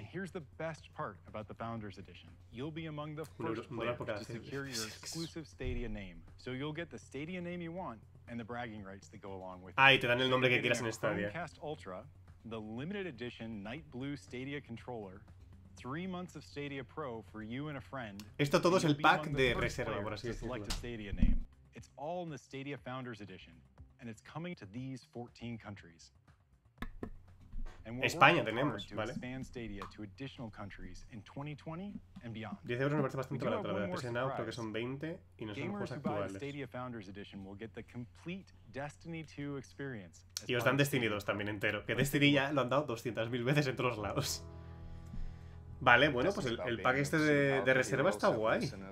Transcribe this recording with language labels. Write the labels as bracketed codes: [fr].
[en] Here's the best part about the Founders Edition. You'll be among the first players to secure your exclusive Stadia name. So you'll get the Stadia name you want. And the bragging rights that go along with it. [es] Ah, y te dan el nombre que quieras en Stadia. [en] Chromecast Ultra, the limited edition Night Blue Stadia controller, 3 months of Stadia Pro for you and a friend. [es] Esto todo es el pack de reserva, por así decirlo. [en] Select a Stadia name. It's all in the Stadia Founders Edition, and it's coming to these 14 countries. [es] España tenemos, ¿vale? [en] Expand Stadia to additional countries in 2020 and beyond. [es] 10 euros me parece bastante barato, la PS Now creo que son 20 y no son juegos actuales. [en] Stadia Founders Edition will get the complete Destiny 2 experience. [es] Y os dan Destiny 2 también entero, que Destiny ya lo han dado 200.000 veces en todos lados. Vale, bueno, pues el pack este de reserva está guay.